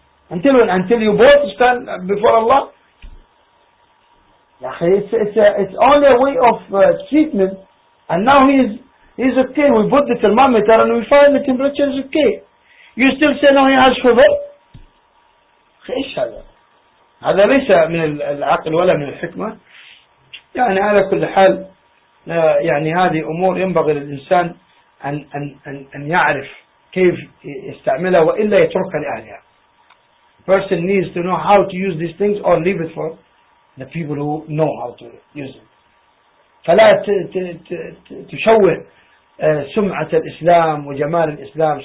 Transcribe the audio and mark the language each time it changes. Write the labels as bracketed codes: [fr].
[en] Until you both stand before Allah? It's only a way of treatment. And now he's okay. We put the thermometer and we find the temperature is okay. You still say no, he has fever? [ar] هذا ليس من العقل ولا من الحكمة. على كل حال هذه أمور ينبغي للإنسان أن, أن, أن, أن يعرف كيف يستعملها وإلا يتركها لأهلها. [en] Person needs to know how to use these things or leave it for the people who know how to use it. [ar] فلا تشوه سمعة الإسلام وجمال الإسلام.